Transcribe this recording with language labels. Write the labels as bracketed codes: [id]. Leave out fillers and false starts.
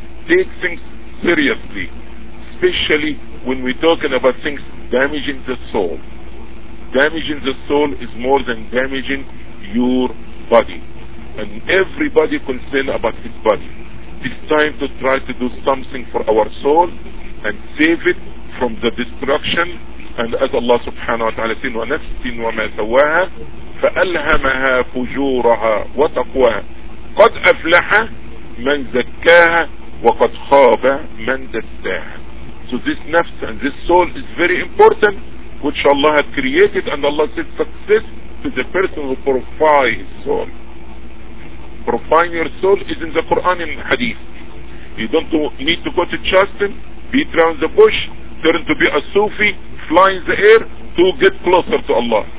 [en] Take things seriously, especially when we're talking about things damaging the soul. Damaging the soul is more than damaging your body. And everybody concerned about his body. It's time to try to do something for our soul and save it from the destruction. And as Allah subhanahu wa ta'ala says, [ar] وَنَفْسٍ وَمَا سَوَاهَا فَأَلْهَمَهَا فُجُورَهَا وَتَقْوَاهَا قَدْ أَفْلَحَ مَنْ زَكَّاهَا وَقَدْ خَابَ مَنْ دَسَّاهَا. [en] So this nafs and this soul is very important, which Allah had created, and Allah said success to the person who purify his soul. Purifying your soul is in the Quran and Hadith. You don't need to go to Chastin, beat around the bush, turn to be a Sufi, fly in the air to get closer to Allah.